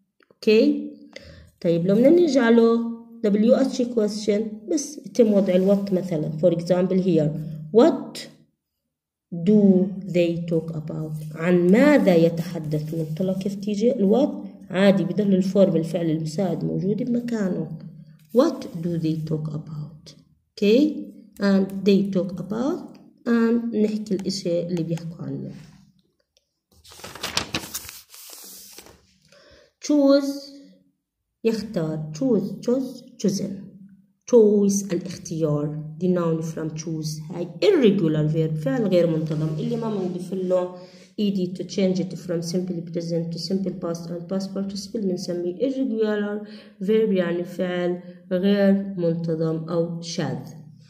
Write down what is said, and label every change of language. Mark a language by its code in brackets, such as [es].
[en] okay [ar] طيب لو نجعله WH question بس يتم وضع الوات مثلا. [en] for example here what do they talk about، [ar] عن ماذا يتحدثون. طلع كيف تيجي الوات عادي بدل الفورم الفعل المساعد موجود بمكانه. [en] What do they talk about؟ okay and they talk about [ar] قام نحكي الإشي اللي بيحكوا عنه. [en] choose [ar] يختار [en] choose choose chosen choice [ar] الاختيار [en] the noun from choose هاي irregular verb [ar] فعل غير منتظم اللي ما موجود في اللغة [en] easy to change it from simple present to simple past and past participle [ar] بنسميه [en] irregular verb [ar] يعني فعل غير منتظم أو شاذ.